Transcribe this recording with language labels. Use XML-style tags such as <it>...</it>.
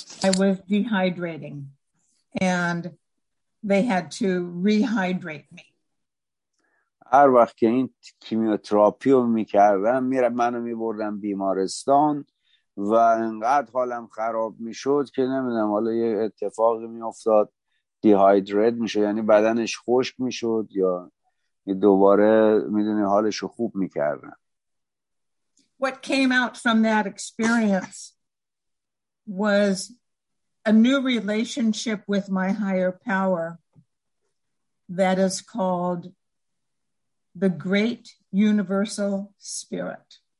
<en>I was dehydrating and they had to rehydrate me.</en> <fa>هر وقت که این کیمیوتراپی رو میکردم میره منو میبردم بیمارستان و انقدر حالم خراب میشد که نمیدونم حالا یه اتفاقی میافتاد، دیهایدرد میشد، یعنی بدنش خشک میشد، یا دوباره میدونی حالش رو خوب میکردم.</fa> <en>What came out from that experience was a new relationship with my higher power that is called the great universal spirit.</en>